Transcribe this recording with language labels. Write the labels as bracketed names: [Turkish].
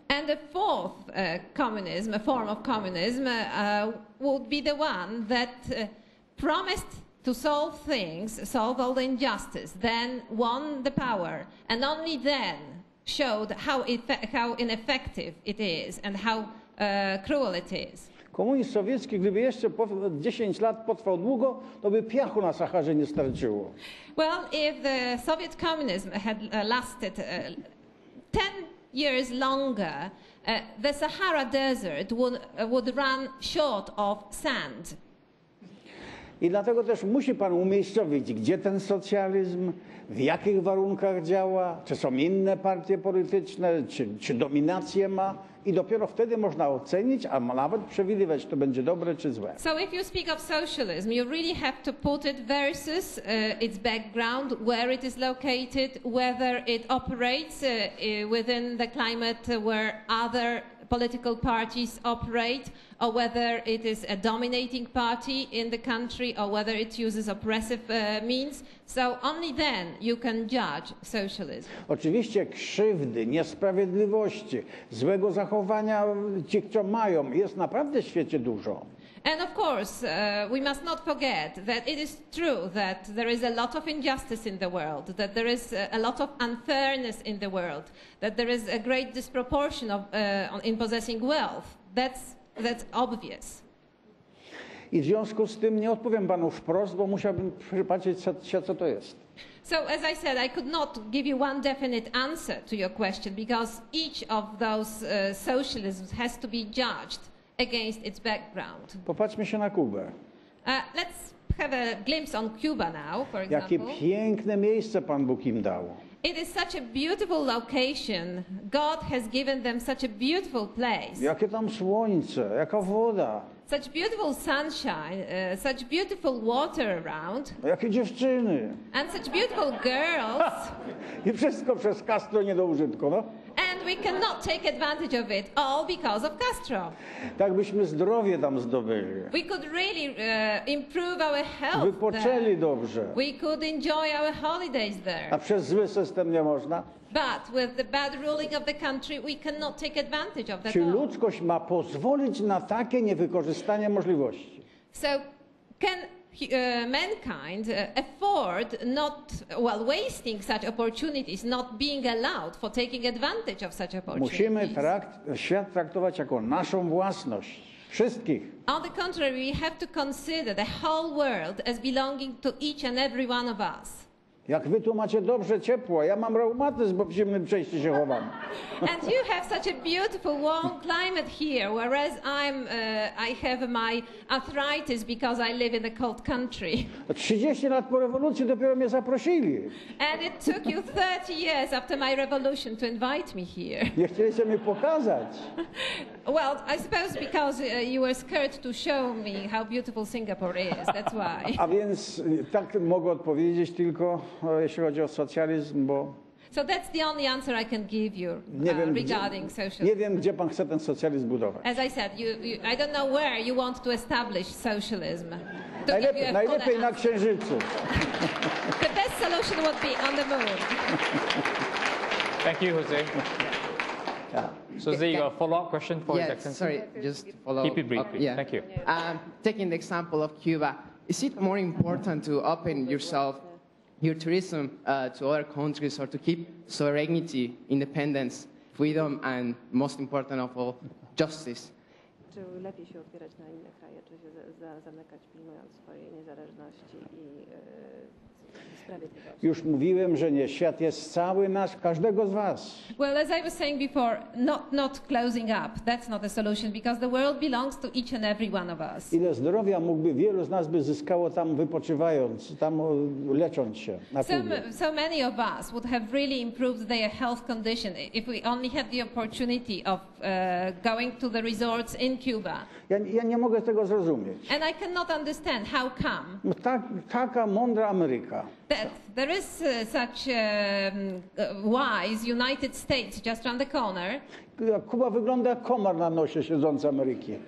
[English] And the fourth communism, a form of communism, would be the one that promised to solve things, solve all the injustice, then won the power, and only then showed how ineffective it is and how cruel it is. [Polish] Komunizm sowiecki, gdyby jeszcze 10 lat potrwał długo, to by piachu na Saharze nie starczyło. [English] Well, if the Soviet communism had lasted 10 years longer, the Sahara Desert would run short of sand. [Polish] I dlatego też musi pan umiejscowić, gdzie ten socjalizm, w jakich warunkach działa, czy są inne partie polityczne, czy dominację ma. I dopiero wtedy można ocenić, a nawet przewidywać, to będzie dobre czy złe. [English] So if you speak of socialism, you really have to put it versus its background, where it is located, whether it operates within the climate where other political parties operate, or whether it is a dominating party in the country, or whether it uses oppressive means. So only then you can judge socialism. [Polish] Oczywiście krzywdy, niesprawiedliwości, złego zachowania tych, co mają, jest naprawdę w świecie dużo. [English] And of course, we must not forget that it is true that there is a lot of injustice in the world, that there is a lot of unfairness in the world, that there is a great disproportion of in possessing wealth. That's obvious. [Polish] I w związku z tym nie odpowiem panu wprost, bo musiałbym przypatrzeć się, co to jest. [English] So as I said, I could not give you one definite answer to your question, because each of those socialisms has to be judged against its background. [Polish] Popatrzmy się na Kubę. [English] Let's have a glimpse on Cuba now, for example. [Polish] Jakie piękne miejsce Pan Bóg im dał. [English] It is such a beautiful location. God has given them such a beautiful place. [Polish] Jakie tam słońce, jaka woda. [English] Such beautiful sunshine, such beautiful water around. [Polish] Jakie dziewczyny. [English] And such beautiful girls. [Polish] I wszystko przez Castro nie do użytku, no. [English] And we cannot take advantage of it all because of Castro. [Polish] Tak byśmy zdrowie tam zdobyli. [English] We could really improve our health. [Polish] Wypoczęli dobrze. [English] We could enjoy our holidays there. [Polish] A przez zły system nie można. [English] But with the bad ruling of the country, we cannot take advantage of that. [Polish] Czy ludzkość ma pozwolić na takie niewykorzystanie możliwości? [English] So can mankind afford not, well, wasting such opportunities, not being allowed for taking advantage of such opportunities? [Polish] Musimy świat traktować jako naszą własność. Wszystkich. [English] On the contrary, we have to consider the whole world as belonging to each and every one of us. [Polish] Jak wy tu macie dobrze ciepło, ja mam reumatyzm, bo w zimnym przejściu się chowam. [English] And you have such a beautiful warm climate here, whereas I have my arthritis because I live in a cold country. [Polish] 30 lat po rewolucji dopiero mnie zaprosili. [English] And it took you 30 years after my revolution to invite me here. [Polish] Nie chcieliście mi pokazać. [English] Well, I suppose because you were scared to show me how beautiful Singapore is, that's why. [Polish] A więc tak mogę odpowiedzieć tylko, jeśli chodzi o socjalizm, bo... [English] So that's the only answer I can give you regarding socialism. [Polish] Nie wiem, gdzie pan chce ten socjalizm budować. [English] As I said, I don't know where you want to establish socialism. [Polish] Najlepiej na Księżycu. [English] The best solution would be on the moon. Thank you, Jose. So Zee, you got a follow-up question for Jackson? Yes, sorry, just follow up. Keep it brief, please. Yeah. Thank you. Taking the example of Cuba, is it more important to open yourself, your tourism to other countries, or to keep sovereignty, independence, freedom, and most important of all, justice? [Polish] zaczęły lepiej się otwierać na inne kraje, czy się zamykać, pilnując swojej niezależności i sprawiedliwości. Już mówiłem, że nie, świat jest cały nasz, każdego z was. [English] Well, as I was saying before, not closing up, that's not a solution, because the world belongs to each and every one of us. [Polish] Ile zdrowia mógłby wielu z nas by zyskało tam wypoczywając, tam lecząc się na Kubie. [English] So many of us would have really improved their health condition if we only had the opportunity of going to the resorts in Cuba. [Polish] Ja nie mogę tego zrozumieć. [English] And I cannot understand how come. [Polish] Taka mądra Ameryka. [English] That there is such wise United States just around the corner. [Polish] Kuba wygląda jak komar na nosie siedzący Ameryki.